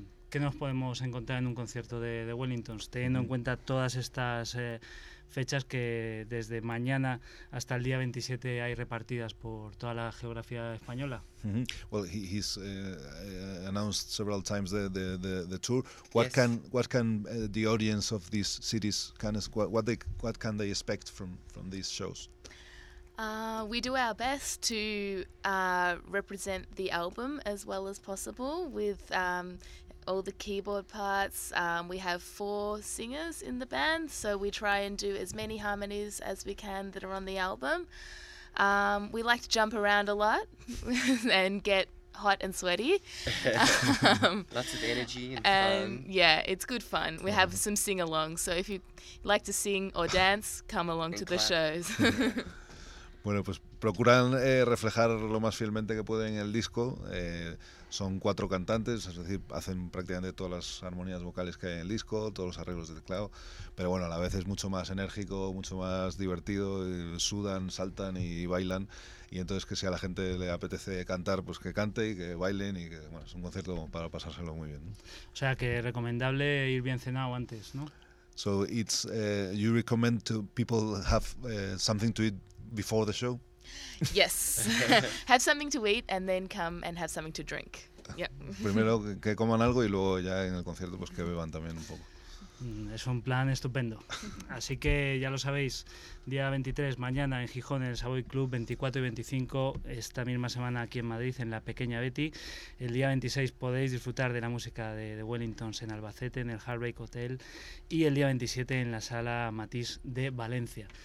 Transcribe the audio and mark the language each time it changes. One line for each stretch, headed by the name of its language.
Spanish: ¿Qué nos podemos encontrar en un concierto de Wellingtons, teniendo en cuenta todas estas fechas que desde mañana hasta el día 27 hay repartidas por toda la geografía española?
English: Mm-hmm. Well, he's announced several times the tour. What can the audience of these cities can they expect from these shows? We do our best to represent the album as well as possible with all the keyboard parts. We have four singers in the band, so we try and do as many harmonies as we can that are on the album. We like to jump around a lot and get hot and sweaty. Lots of energy and fun. Yeah, it's good fun. We have some sing-alongs, so if you like to sing or dance, come along to the shows.
Spanish: Bueno, pues procuran reflejar lo más fielmente que pueden el disco. Son cuatro cantantes, es decir, hacen prácticamente todas las armonías vocales que hay en el disco, todos los arreglos de teclado, pero bueno, a la vez es mucho más enérgico, mucho más divertido, sudan, saltan y bailan, y entonces que si a la gente le apetece cantar, pues que cante y que bailen, y que bueno, es un concierto para pasárselo muy bien, ¿no? O sea que recomendable ir bien cenado antes, ¿no?
English: So it's you recommend to people have something to eat before the show? Yes. Have something to eat and then come and have something to drink. Yeah.
Spanish: Primero que coman algo y luego ya en el concierto pues que beban también un poco. Es un plan estupendo. Así que ya lo sabéis, día 23 mañana en Gijón en el Savoy Club, 24 y 25 esta misma semana aquí en Madrid en la Pequeña Betty. El día 26 podéis disfrutar de la música de Wellingtons en Albacete, en el Hard Rock Hotel, y el día 27 en la Sala Matisse de Valencia.